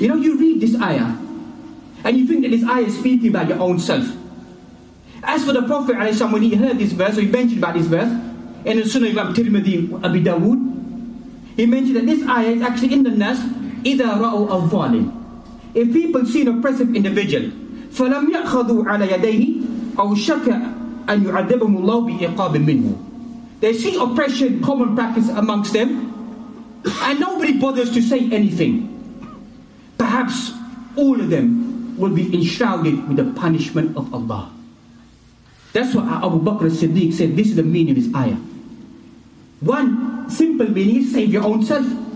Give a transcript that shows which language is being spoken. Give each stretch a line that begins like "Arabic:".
English: You know, you read this ayah, and you think that this ayah is speaking about your own self. As for the Prophet ﷺ, when he heard this verse, or he mentioned about this verse, in the Sunnah of Imam Tirmidhi, Abi Dawood, he mentioned that this ayah is actually in the nas,
Arabic: إِذَا رَأُوا الظَّالِمِ.
English: If people see an oppressive individual,
Arabic: فَلَمْ يَأْخَذُوا عَلَى يَدَيْهِ أَوْ شَكَ أَنْ يُعَذِّبَهُمُ اللَّهُ بِإِقَابٍ مِّنْهُ.
English: They see oppression, common practice amongst them, and nobody bothers to say anything. Perhaps all of them will be enshrouded with the punishment of Allah. That's what Abu Bakr as-Siddiq said. This is the meaning of this ayah. One simple meaning is save your own self.